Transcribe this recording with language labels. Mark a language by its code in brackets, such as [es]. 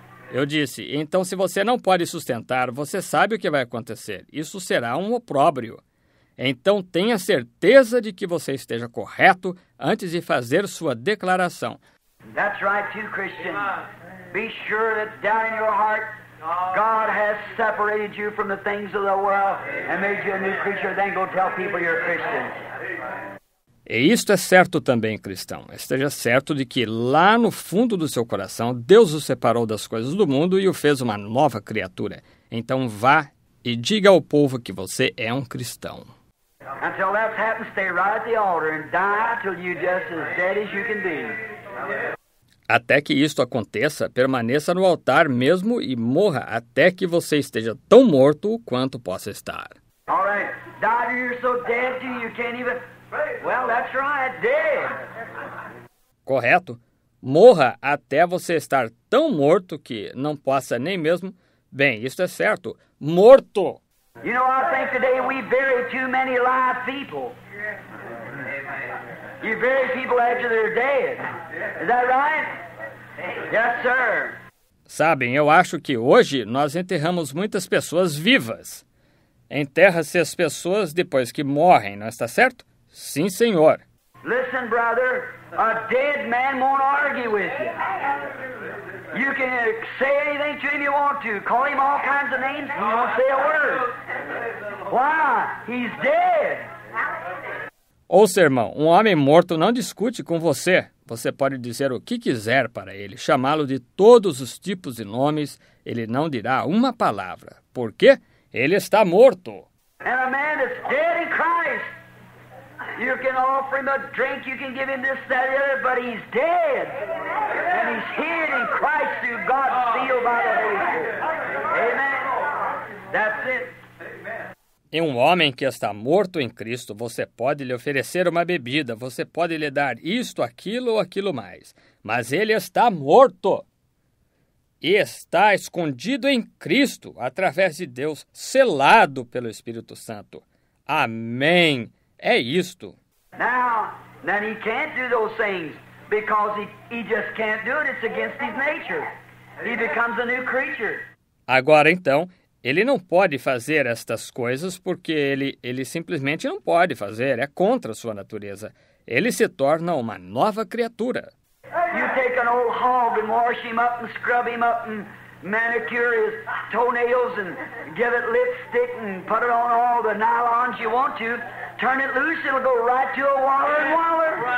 [pt] Eu disse, então se você não pode sustentar, você sabe o que vai acontecer. Isso será um opróbrio. Então tenha certeza de que você esteja correto antes de fazer sua declaração. [en] That's right too, Christian. Be sure that down in your heart, God has separated you from the things of the world and made you a new creature. Then go tell people you're a Christian. [pt] E isto é certo também, cristão. Esteja certo de que lá no fundo do seu coração, Deus o separou das coisas do mundo e o fez uma nova criatura. Então vá e diga ao povo que você é um cristão. [en] Until that happens, stay right at the altar and die till you're just as dead as you can be. [pt] Até que isto aconteça, permaneça no altar mesmo e morra até que você esteja tão morto quanto possa estar. [en] All right. Die, you're so dead too, you can't even... Well, that's right, dead. [pt] Correto. Morra até você estar tão morto que não possa nem mesmo... Bem, isto é certo. Morto! [en] You know, I think today we bury too many live people. You bury people after they're dead. Is that right? Yes, sir. [pt] Sabem, eu acho que hoje nós enterramos muitas pessoas vivas. Enterra-se as pessoas depois que morrem, não está certo? Sim, senhor. [en] Listen, brother, a dead man won't argue with you. You can say anything to him you want to. Call him all kinds of names, he won't say a word. Why? He's dead. [pt] Ouça, irmão, um homem morto não discute com você. Você pode dizer o que quiser para ele, chamá-lo de todos os tipos e nomes, ele não dirá uma palavra. Por quê? Ele está morto. [en] And a man is dead in Christ. You can offer him a drink, you can give him this, that, the other, but he's dead. And he's hid in Christ through God's seal by the Holy Spirit. Amen. That's it. [pt] E um homem que está morto em Cristo, você pode lhe oferecer uma bebida, você pode lhe dar isto, aquilo ou aquilo mais. Mas ele está morto e está escondido em Cristo, através de Deus, selado pelo Espírito Santo. Amém. É isto. [en] Now, he can't do those things because he just can't do it. It's against his nature. He becomes a new creature. [pt] Agora então, ele não pode fazer estas coisas porque ele simplesmente não pode fazer, é contra a sua natureza. Ele se torna uma nova criatura. [en] You take an old hog and wash him up and scrub him up and manicure his toenails and give it lipstick and put it on all the nylons you want to. Turn it loose, it'll go right to a waller and waller.